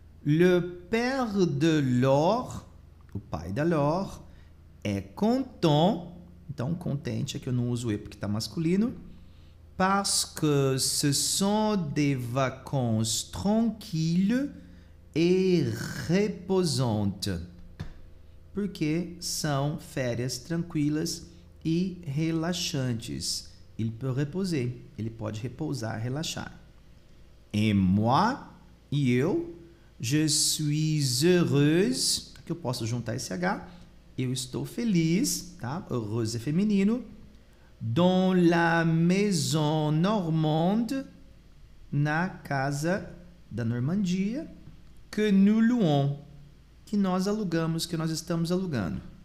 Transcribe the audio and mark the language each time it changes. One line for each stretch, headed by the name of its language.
French: Le père de Laure,
Portuguese: o pai da Laure, é content, então contente, é que eu não uso E porque está masculino,
French: parce que ce sont des vacances tranquilles et reposantes.
Portuguese: Porque são férias tranquilas e relaxantes.
French: Il peut reposer.
Portuguese: Ele pode repousar, relaxar.
French: Et moi,
Portuguese: e eu,
French: je suis heureuse.
Portuguese: Aqui eu posso juntar esse H. Eu estou feliz, tá? Heureuse é feminino.
French: Dans la maison normande,
Portuguese: na casa da Normandia,
French: que nous louons,
Portuguese: que nós alugamos, que nós estamos alugando.